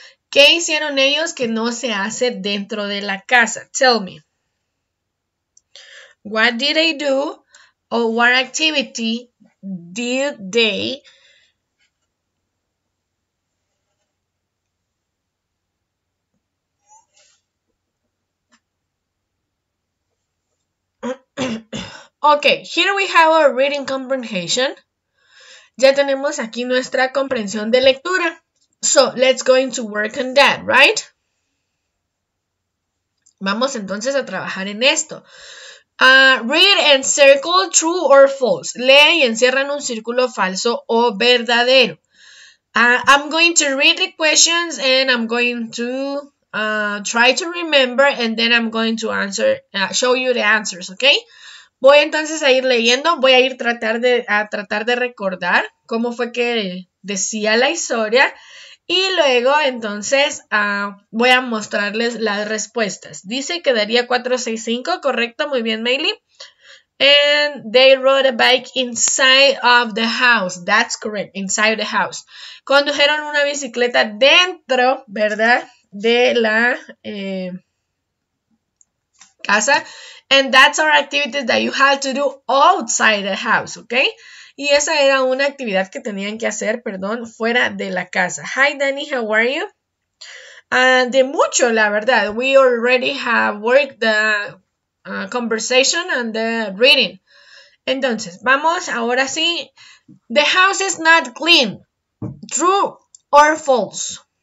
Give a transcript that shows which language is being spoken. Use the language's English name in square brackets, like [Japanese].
[Spanish] ¿Qué hicieron ellos que no se hace dentro de la casa? [English] Tell me. What did they do or what activity did they Okay, here we have our reading comprehension. [Spanish] Ya tenemos aquí nuestra comprensión de lectura. [English] So, let's go into work on that, right? [Spanish] Vamos entonces a trabajar en esto. [English] Read and circle true or false. [Spanish] Lee y encierra en un círculo falso o verdadero. [English] I'm going to read the questions and I'm going to try to remember and then I'm going to answer, show you the answers, okay? [Spanish] Voy entonces a ir leyendo, voy a ir tratar de recordar cómo fue que decía la historia y luego entonces voy a mostrarles las respuestas. Dice que daría 465, correcto, muy bien, Meili. [English] And they rode a bike inside of the house, that's correct, inside the house. [Spanish] Condujeron una bicicleta dentro, ¿verdad?, de la casa. [English] And that's our activity that you had to do outside the house, okay? [Spanish] Y esa era una actividad que tenían que hacer, perdón, fuera de la casa. [English] Hi, Danny, how are you? [Spanish] De mucho, la verdad. [English] We already have worked the conversation and the reading. [Spanish] Entonces, vamos ahora sí. [English] The house is not clean. True or false?